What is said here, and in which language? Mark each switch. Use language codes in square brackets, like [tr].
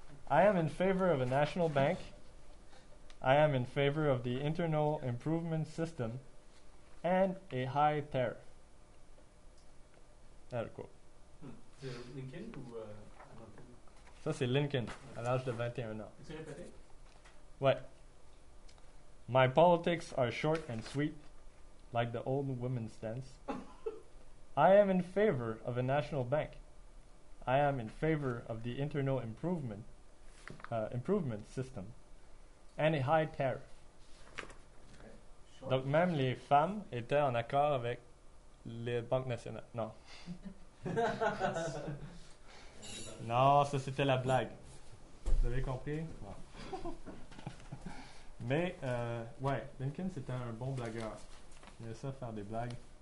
[en] I am in favor of a national bank. I am in favor of the internal improvement system and a high tariff. » End quote. [fr] Lincoln ou... Ça, c'est Lincoln, à l'âge de 21 ans. Est-ce que c'est répété? Ouais. [en] « My politics are short and sweet, like the old women's dance. I am in favor of a national bank. I am in favor of the internal improvement, improvement system and a high tariff. Okay. » [fr] Donc, même les femmes étaient en accord avec les banques nationales. Non. Non, ça c'était la blague. Vous avez compris? Non. Mais, ouais, Lincoln c'était un bon blagueur. Il aimait ça faire des blagues.